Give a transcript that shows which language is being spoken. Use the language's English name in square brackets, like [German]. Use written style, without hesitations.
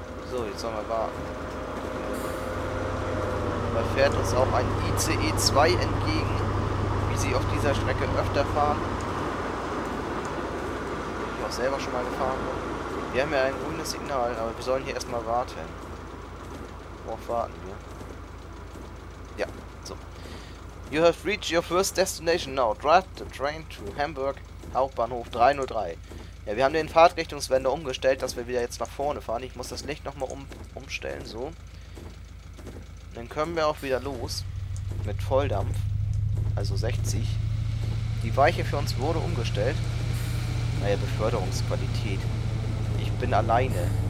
[German] So, jetzt sollen wir warten. Da fährt uns auch ein ICE2 entgegen, wie sie auf dieser Strecke öfter fahren. Ich auch selber schon mal gefahren. Wir haben ja ein grünes Signal, aber wir sollen hier erstmal warten. Worauf warten wir? Ja, so. [English] You have reached your first destination now. Drive the train to Hamburg Hauptbahnhof 303. [German] Ja, wir haben den Fahrtrichtungswender umgestellt, dass wir wieder jetzt nach vorne fahren. Ich muss das Licht nochmal umstellen, so. Dann können wir auch wieder los. Mit Volldampf. Also 60. Die Weiche für uns wurde umgestellt. Naja, Beförderungsqualität. Ich bin alleine.